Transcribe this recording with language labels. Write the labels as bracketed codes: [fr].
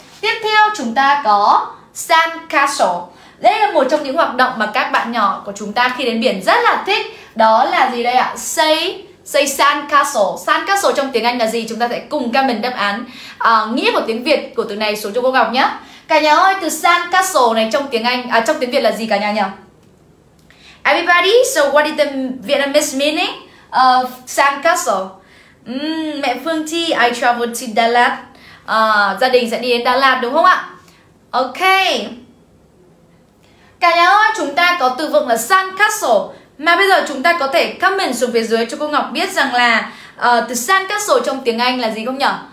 [vi] Tiếp theo chúng ta có sand castle. Đây là một trong những hoạt động mà các bạn nhỏ của chúng ta khi đến biển rất là thích. Đó là gì đây ạ? Xây sand castle. Sand castle trong tiếng Anh là gì? Chúng ta sẽ cùng comment đáp án nghĩa của tiếng Việt của từ này xuống cho cô Ngọc nhé. Cả nhà ơi, từ sand castle này trong tiếng Anh, trong tiếng Việt là gì cả nhà nhỉ? [en] Everybody, so what is the Vietnamese meaning of sand castle? Mẹ Phương Thi, I traveled to Đà Lạt. [vi] Gia đình sẽ đi đến Đà Lạt đúng không ạ? Ok. Cả nhà ơi, chúng ta có từ vựng là sand castle. Mà bây giờ chúng ta có thể comment xuống phía dưới cho cô Ngọc biết rằng là từ sand castle trong tiếng Anh là gì không nhỉ?